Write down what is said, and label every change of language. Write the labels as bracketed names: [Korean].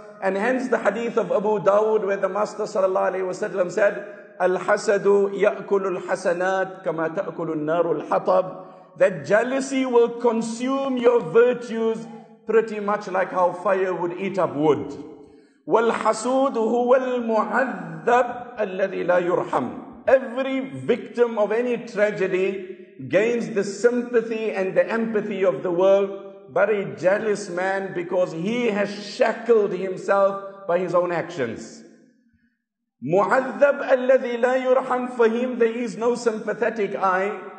[English] And hence the hadith of Abu Dawud, where the Master sallallahu alayhi wasallam said, [Arabic] Al-hasadu ya'kulu al-hasanat kama ta'kulu an-naru al-hatab. [English] That jealousy will consume your virtues pretty much like how fire would eat up wood. [Arabic] والحسود هو المعذب الذي لا يرحم. [English] Every victim of any tragedy gains the sympathy and the empathy of the world, but a jealous man, because he has shackled himself by his own actions. [Arabic] معذب الذي لا يرحم, [English] for him there is no sympathetic eye.